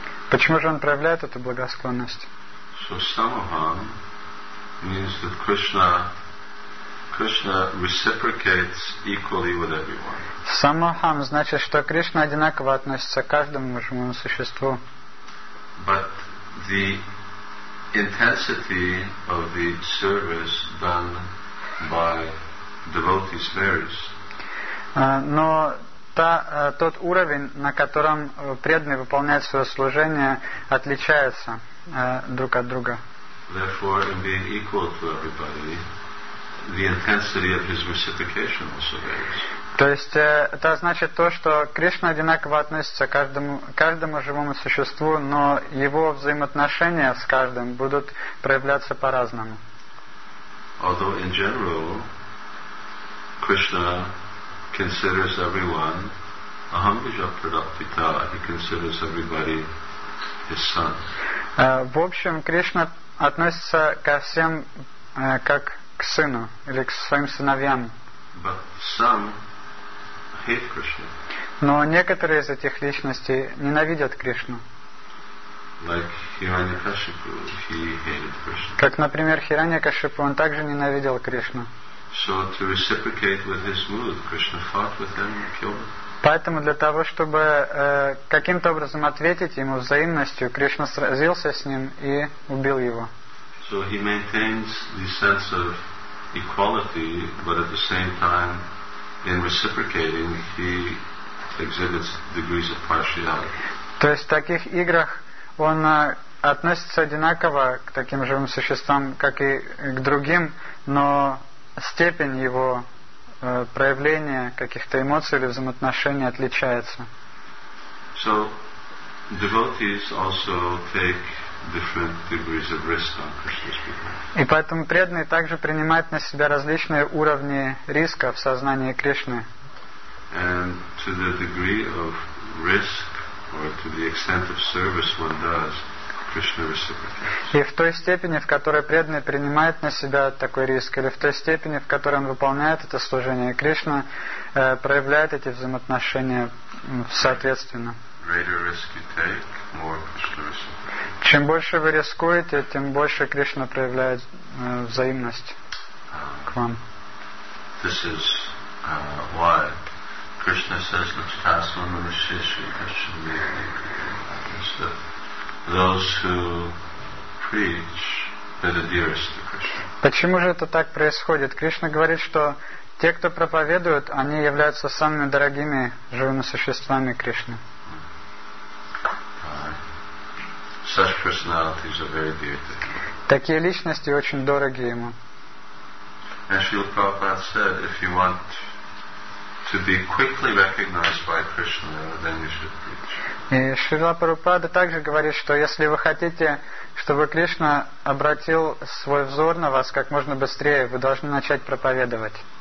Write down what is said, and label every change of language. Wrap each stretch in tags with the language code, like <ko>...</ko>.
<ru>Почему же он проявляет эту благосклонность?</ru> <en>So samaham means that Krishna reciprocates equally with everyone.</en> <ru>Самохам значит, что Кришна одинаково относится к каждому живому существу.</ru> <en>But the intensity of the service done by devotees varies.</en> <ru>Но тот уровень, на котором преданный выполняет свое служение, отличается друг от друга.</ru> <en>Therefore, in being equal to everybody, the intensity of his reciprocation also varies.</en> <ru>То есть это значит то, что Кришна одинаково относится к каждому живому существу, но его взаимоотношения с каждым будут проявляться по-разному.</ru> <en>Although in general Krishna considers everyone</en> <sa>aham bija pradapita,</sa> <en>he considers everybody his son.</en> <ru>В общем, Кришна относится ко всем как к сыну или к своим сыновьям.</ru> <en>But some hate Krishna.</en> <ru>Но некоторые из этих личностей ненавидят Кришну.</ru> <en>Like Hiranyakashipu, he hated Krishna.</en> <ru>Как, например, Хираньякашипу, он также ненавидел Кришну.</ru> <en>So to reciprocate with his mood, Krishna fought with him and killed him.</en> <ru>Поэтому для того, чтобы каким-то образом ответить ему взаимностью, Кришна сразился с ним и убил его.</ru> <en>So he maintains the sense of equality, but at the same time, in reciprocating, he exhibits degrees of partiality.</en> <ru>То есть в таких играх он относится одинаково к таким живым существам, как и к другим, но степень его проявления каких-то эмоций или взаимоотношений отличается.</ru> <en>So devotees also take different degrees of risk on Krishna's behalf.</en> <ru>И поэтому преданные также принимают на себя различные уровни риска в сознании Кришны.</ru> <en>And to the degree of risk or to the extent of service one does, Krishna reciprocates.</en> <ru>И в той степени, в которой преданный принимает на себя такой риск, или в той степени, в которой он выполняет это служение, Кришна проявляет эти взаимоотношения соответственно.</ru> <en>Greater risk you take, more Krishna reciprocates.</en> <ru>Чем больше вы рискуете, тем больше Кришна проявляет взаимность к вам.</ru> <en>This is why Krishna says</en> <sa>Lakshmana Manushishi Krishna.</sa> <en>Those who preach, they're the dearest to Krishna.</en> <ru>Почему же это так происходит? Кришна говорит, что те, кто проповедуют, они являются самыми дорогими живыми существами Кришны.</ru> <en>Such personalities are very dear to him.</en> <ru>Такие личности очень дороги ему.</ru> <en>And Srila Prabhupada said, if you want to be quickly recognized by Krishna, then you should preach.</en> <ru>И Шрила Прабхупада также говорит, что если вы хотите, чтобы Кришна обратил свой взор на вас как можно быстрее, вы должны начать проповедовать.</ru>